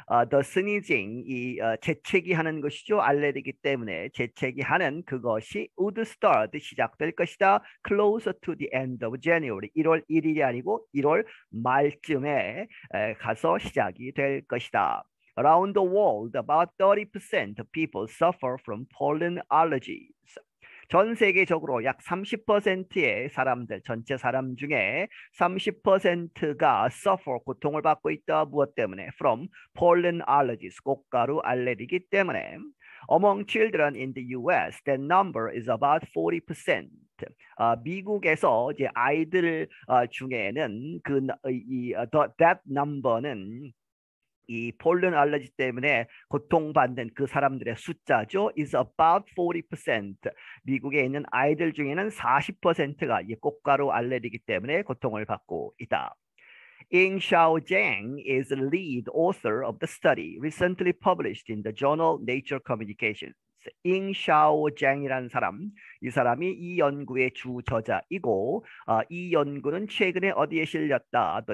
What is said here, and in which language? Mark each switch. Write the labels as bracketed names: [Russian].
[English] the sneezing [Korean] 이 재채기 하는 것이죠 알레르기 때문에 재채기 하는 그것이 [English] would start [Korean] 시작될 것이다 [English] closer to the end of January [Korean] 1월 1일이 아니고 1월 말쯤에 가서 시작이 될 것이다. [English] Around the world, about 30% of people suffer from pollen allergies. [Korean] 전 세계적으로 약 30%의 사람들, 전체 사람 중에 30%가 suffer, 고통을 받고 있다. 무엇 때문에? [English] From pollen allergies, [Korean] 꽃가루 알레르기 때문에. [English] Among children in the US, that number is about 40%. [Korean] 미국에서 이제 아이들 중에는 그이 [English] that number [Korean] 는 이 폴른 알레르기 때문에 고통받는 그 사람들의 숫자죠. [English] is about 40%. [Korean] 미국에 있는 아이들 중에는 40%가 이 꽃가루 알레르기 때문에 고통을 받고 있다. [English] Ying Xiao Zheng is lead author of the study recently published in the journal Nature Communications. [Korean] 잉샤오 쟁이라는 사람, 이 사람이 이 연구의 주 저자이고, 이 연구는 최근에 어디에 실렸다?